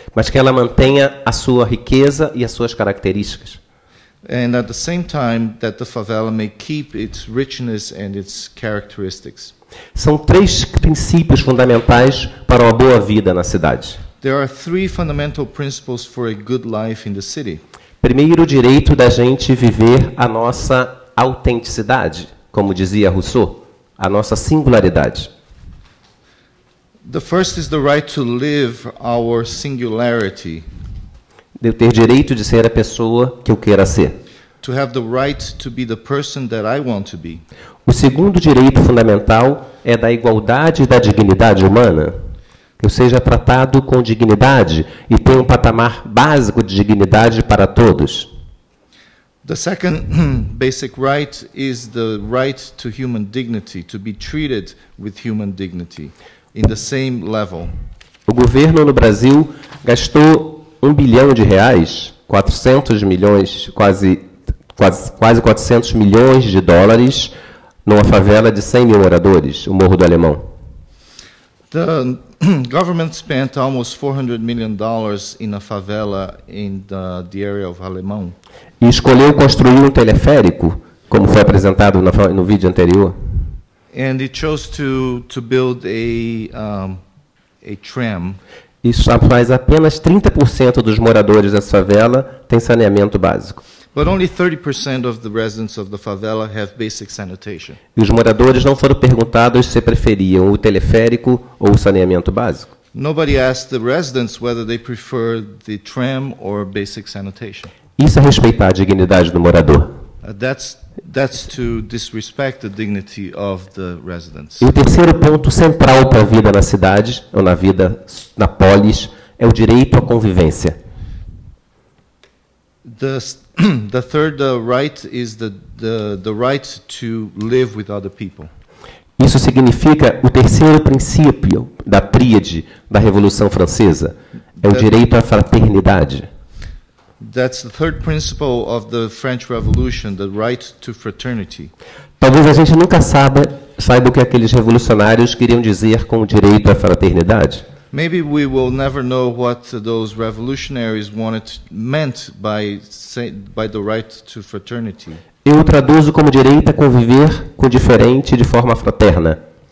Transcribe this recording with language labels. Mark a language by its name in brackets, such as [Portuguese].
[Portuguese] Mas que ela mantenha a sua riqueza e as suas características. [English] And at the same time that the favela may keep its richness and its characteristics. [Portuguese] São três princípios fundamentais para uma boa vida na cidade. [English] There are three fundamental principles for a good life in the city. [Portuguese] Primeiro, o direito da gente viver a nossa autenticidade, como dizia Rousseau. A nossa singularidade. [English] The first is the right to live our singularity. [Portuguese] De eu ter direito de ser a pessoa que eu queira ser. [English] To have the right to be the person that I want to be. [Portuguese] O segundo direito fundamental é da igualdade e da dignidade humana. Que eu seja tratado com dignidade e tenha um patamar básico de dignidade para todos. [English] The second basic right is the right to human dignity, to be treated with human dignity, in the same level. [Portuguese] O governo no Brasil gastou R$1 bilhão, quase 400 milhões de dólares, numa favela de 100 mil moradores, o Morro do Alemão. [English] The government spent almost $400 million in a favela in the area of Alemão. [Portuguese] E escolheu construir um teleférico, como foi apresentado no vídeo anterior. [English] And it chose to build a tram. [Portuguese] Isso faz apenas 30% dos moradores dessa favela têm saneamento básico. [English] But only 30% of the residents of the favela have basic sanitation. [Portuguese] E os moradores não foram perguntados se preferiam o teleférico ou o saneamento básico. [English] Nobody asked the residents whether they prefer the tram or basic sanitation. [Portuguese] Isso é respeitar a dignidade do morador. [English] That's to disrespect the dignity of the residents. [Portuguese] E o terceiro ponto central para a vida na cidade ou na vida na polis é o direito à convivência. [English] The third right is the right to live with other people. [Portuguese] Isso significa o terceiro princípio da tríade da Revolução Francesa, é o direito à fraternidade. [English] That's the third principle of the French Revolution, the right to fraternity. [Portuguese] Talvez a gente nunca saiba o que aqueles revolucionários queriam dizer com o direito à fraternidade. [English] Maybe we will never know what those revolutionaries meant by the right to fraternity. [Portuguese] Eu traduzo como direito a conviver com o diferente de forma fraterna.